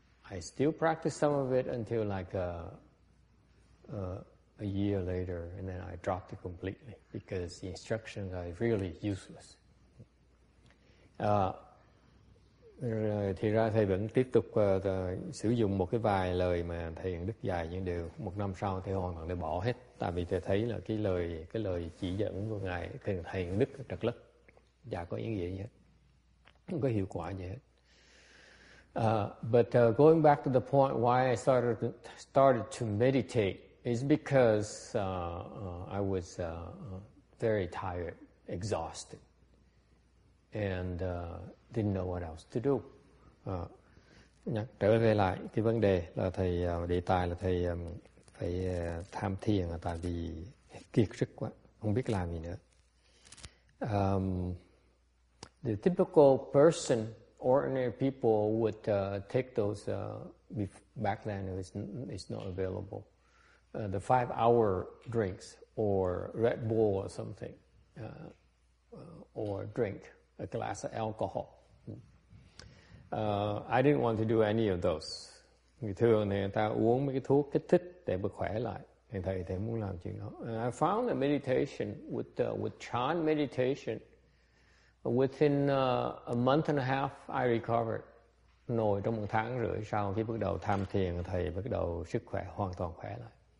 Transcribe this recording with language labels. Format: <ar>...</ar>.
<en>I still practice some of it until like a year later, and then I dropped it completely because the instructions are really useless.</en> <vi>Thì ra thầy vẫn tiếp tục sử dụng một cái vài lời mà thầy Hằng Đức dạy, nhưng đều một năm sau thì hoàn toàn để bỏ hết, tại vì thầy thấy là cái lời chỉ dẫn của ngài thầy Hằng Đức trật lất, dạ có ý nghĩa gì hết, không có hiệu quả gì hết.</vi> <en>But going back to the point why I started to meditate is because I was very tired, exhausted, and didn't know what else to do.</en> <vi>Trở về lại cái vấn đề là thầy đề tài là thầy phải tham thiền tại vì kiệt sức quá, không biết làm gì nữa.</vi> <en>The typical person, ordinary people would take those back then it's not available. The 5-hour drinks or Red Bull or something or drink a glass of alcohol. I didn't want to do any of those.</en> <vi>Người thường thì người ta uống mấy cái thuốc kích thích để bớt khỏe lại. Thì thầy thì muốn làm chuyện đó.</vi> <en>And I found that meditation with Chan meditation, within a month and a half, I recovered.</en> <vi>Nổi trong một tháng rưỡi sau khi bắt đầu tham thiền, thầy bắt đầu sức khỏe hoàn toàn khỏe lại.</vi>